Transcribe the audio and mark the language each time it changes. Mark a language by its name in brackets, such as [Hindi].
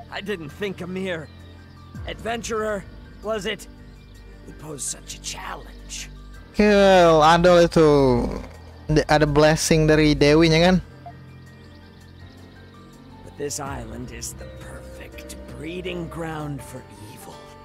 [English] I didn't think a mere adventurer was it would pose such a challenge. [Indonesian] Kill Adol itu ada blessing dari dewinya kan? [English] But this island is the breeding ground for evil.